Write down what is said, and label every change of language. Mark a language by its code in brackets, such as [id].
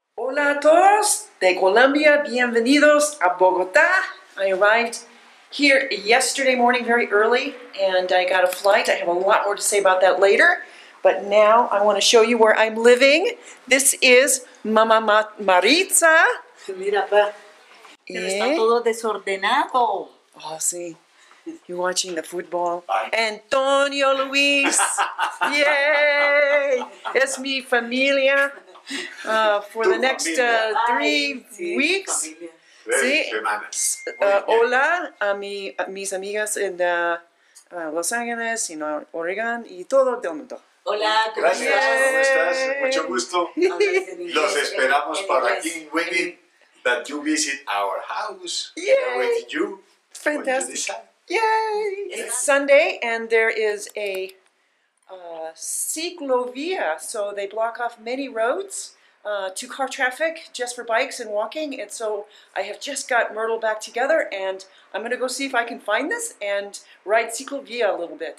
[es] Hola a todos de Colombia, bienvenidos a Bogotá. [en] I arrived here yesterday morning very early and I got a flight. I have a lot more to say about that later, but now I want to show you where I'm living. This is Mama Maritza. [es] Mira, pa. Está todo desordenado. Oh, sí. [en] You're watching the football. Antonio Luis. Yay! [es] Es mi familia. [en] For the next three weeks. [es] Sí. Hola a mis amigas en Los Ángeles, en Oregon y todo el mundo. Hola, gracias. ¿Cómo estás? Mucho gusto. Los esperamos para King Winning that you visit our house. [en] Yeah. With you. Fantastic. Yay! It's Sunday and there is a Ciclovía, so they block off many roads to car traffic just for bikes and walking, and so I have just got Myrtle back together and I'm gonna go see if I can find this and ride Ciclovía a little bit.